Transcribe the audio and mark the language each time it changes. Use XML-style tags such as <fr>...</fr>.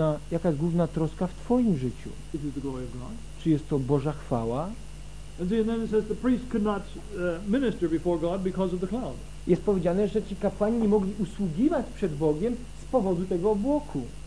<pl>Jaka jest główna troska w Twoim życiu?</pl> <en>Is it the glory of God?</en> <pl>Czy jest to Boża chwała?</pl> <en>And then it says the priest could not minister before God because of the cloud.</en> <pl>Jest powiedziane, że ci kapłani nie mogli usługiwać przed Bogiem z powodu tego obłoku.</pl>